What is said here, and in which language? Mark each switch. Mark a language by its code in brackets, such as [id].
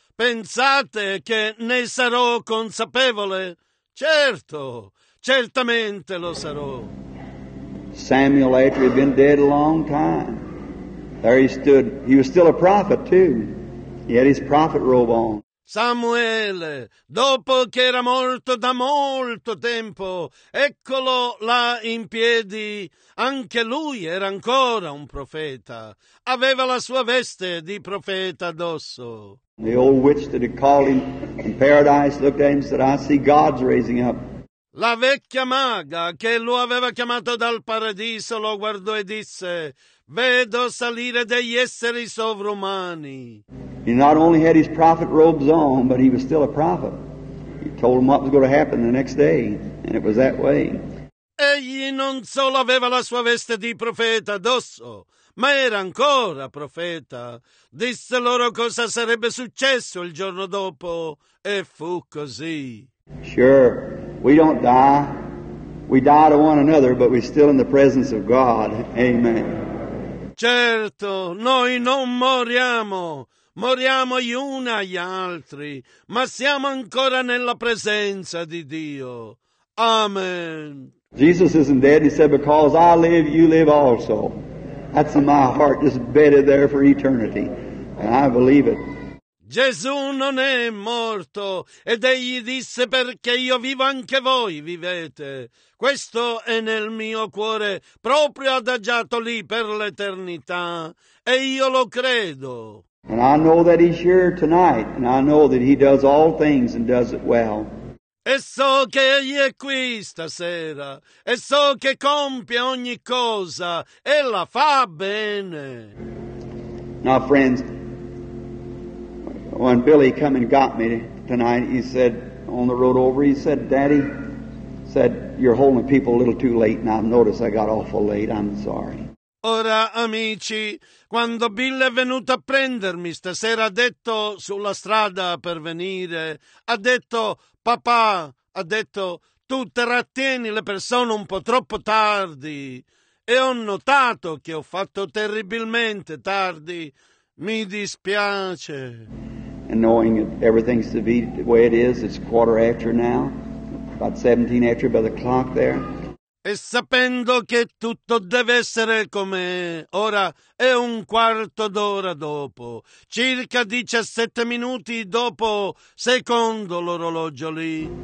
[it] Pensate che ne sarò consapevole? Certo, certamente lo sarò. [en] Samuel Atri had been dead a long time. There he stood. He was still a prophet too. He had his prophet robe on. [it] Samuele, dopo che era morto da molto tempo, eccolo là in piedi. Anche lui era ancora un profeta. Aveva la sua veste di profeta addosso. [en] The old witch that had called him in paradise looked at him and said, I see God's raising up. [it] La vecchia maga che lo aveva chiamato dal paradiso lo guardò e disse, vedo salire degli esseri sovrumani. [en] He not only had his prophet robes on, but he was still a prophet. He told him what was going to happen the next day, and it was that way. [it] Egli non solo aveva la sua veste di profeta addosso, ma era ancora profeta. Disse loro cosa sarebbe successo il giorno dopo, e fu così. [en] Sure, we don't die. We die to one another, but we're still in the presence of God. Amen. [it] Certo, noi non moriamo. Moriamo gli uni agli altri, ma siamo ancora nella presenza di Dio. Amen. [en] Jesus isn't dead. He said, because I live, you live also. That's in my heart, just bedded there for eternity. And I believe it. [it] Gesù non è morto, ed egli disse: perché io vivo, anche voi vivete. Questo è nel mio cuore, proprio adagiato lì per l'eternità, e io lo credo. [en] And I know that he's here tonight, and I know that he does all things and does it well. [it] E so che egli è qui stasera, e so che compie ogni cosa, e la fa bene. [en] Now friends, when Billy come and got me tonight, he said, on the road over, he said, Daddy, said, you're holding people a little too late, and I've noticed I got awful late, I'm sorry. [it] Ora, amici, quando Bill è venuto a prendermi stasera, ha detto, sulla strada per venire, ha detto, papà, ha detto, tu trattieni le persone un po' troppo tardi. E ho notato che ho fatto terribilmente tardi. Mi dispiace. [en] And knowing that everything's to be the way it is, it's quarter after now, about 17 after by the clock there. [it] E sapendo che tutto deve essere com'è, ora è un quarto d'ora dopo, circa 17 minuti dopo, secondo l'orologio lì.